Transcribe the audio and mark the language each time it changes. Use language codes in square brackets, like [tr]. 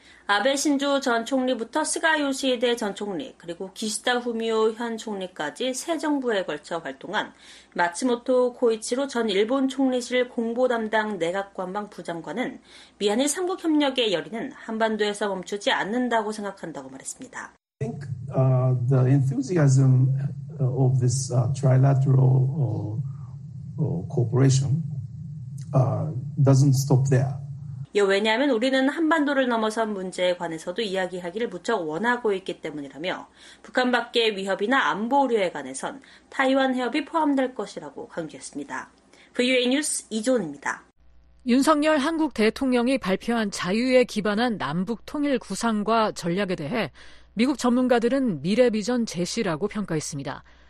[ko] 아베 신조 전 총리부터 스가 요시히데 전 총리 그리고 기시다 후미오 현 총리까지 새 정부에 걸쳐 활동한 마츠모토 코이치로 전 일본 총리실 공보 담당 내각 관방 부장관은 미한일 3국 협력의 열의는 한반도에서 멈추지 않는다고 생각한다고 말했습니다. [en] I think the enthusiasm of this trilateral cooperation doesn't stop there. [ko] 왜냐하면 우리는 한반도를 넘어선 문제에 관해서도 이야기하기를 무척 원하고 있기 때문이라며 북한 밖의 위협이나 안보 우려에 관해선 타이완 해협이 포함될 것이라고 강조했습니다. VOA 뉴스 이조은입니다. 윤석열 한국 대통령이 발표한 자유에 기반한 남북 통일 구상과 전략에 대해 미국 전문가들은 미래 비전 제시라고 평가했습니다.